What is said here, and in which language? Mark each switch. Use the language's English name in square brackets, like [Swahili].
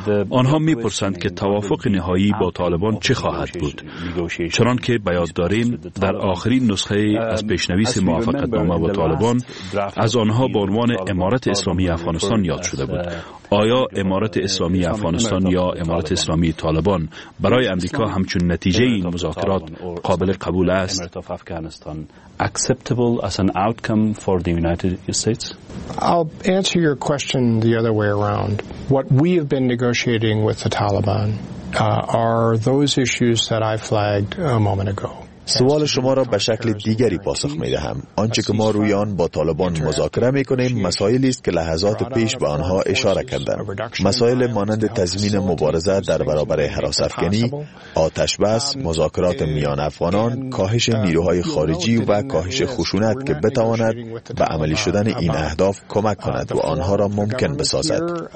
[Persian] آنها می پرسند که توافق نهایی با طالبان چه خواهد بود؟ چنان که بیاد داریم در آخرین نسخه از پیشنویس موافقتنامه با طالبان از آنها به عنوان امارت اسلامی افغانستان یاد شده بود. آیا امارت اسلامی افغانستان یا امارت اسلامی طالبان برای امریکا همچون نتیجه این مذاکرات قابل قبول است؟ [English] acceptable as an outcome for the United States? I'll answer your question the other way around. What we have been negotiating with the Taliban are those issues that I flagged a moment ago. [Persian] سوال شما را به شکل دیگری پاسخ می دهم. آنچه که ما روی آن با طالبان مذاکره می کنیم مسائلی است که لحظات پیش به آنها اشاره کردم. مسائل مانند تضمین مبارزه در برابر هراس افکنی، آتش بس، مذاکرات میان افغانان، کاهش نیروهای خارجی و کاهش خشونت که بتواند به عملی شدن این اهداف کمک کند و آنها را ممکن بسازد.